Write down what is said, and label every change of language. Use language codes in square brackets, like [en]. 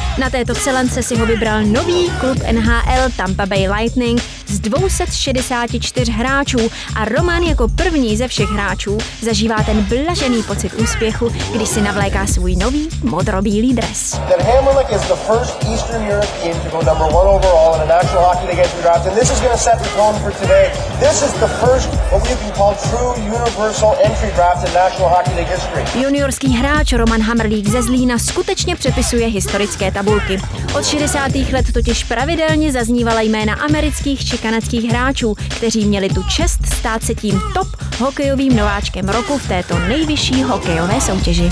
[cs] Na této přelance si ho vybral nový klub NHL Tampa Bay Lightning z 264 hráčů a Roman jako první ze všech hráčů zažívá ten blažený pocit úspěchu, když si navléká svůj nový modrobílý dres. [en] Then Hamrlík is the first Eastern European to go number one overall in a National Hockey League entry draft, and this is going to set the tone for today. This is the first what we can call true universal entry draft in National Hockey League history. [cs] Juniorský hráč Roman Hamrlík ze Zlína skutečně přepisuje historické tabulky. Od 60. let totiž pravidelně zaznívala jména amerických či kanadských hráčů, kteří měli tu čest stát se tím top hokejovým nováčkem roku v této nejvyšší hokejové soutěži.